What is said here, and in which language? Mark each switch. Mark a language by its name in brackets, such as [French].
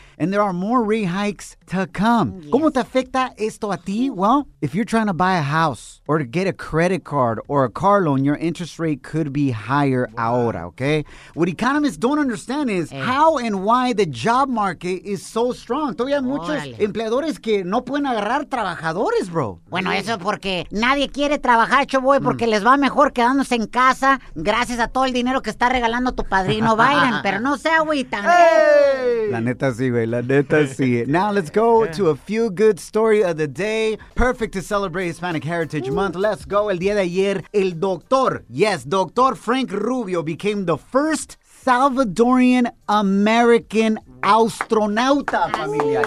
[English] And there are more rate hikes to come. Yes. [Spanish] ¿Cómo te afecta esto a ti? [English] Well, if you're trying to buy a house or to get a credit card or a car loan, your interest rate could be higher ahora, okay? What economists don't understand is how and why the job market is so strong. [Spanish] Todavía hay muchos empleadores que no pueden agarrar trabajadores, bro. Bueno, eso es porque nadie quiere trabajar, chavoy, porque les va mejor quedándose en casa gracias a todo el dinero que está regalando tu padrino Biden. Pero no sea agüita. [English] Hey. [Spanish] La neta sí, güey. La neta sí. [English] Now let's go to a few good story of the day. Perfect to celebrate Hispanic Heritage Month. Let's go. [Spanish] El día de ayer, el doctor, yes, Dr. [English] Frank Rubio became the first Salvadorian American [Spanish] astronauta, familia.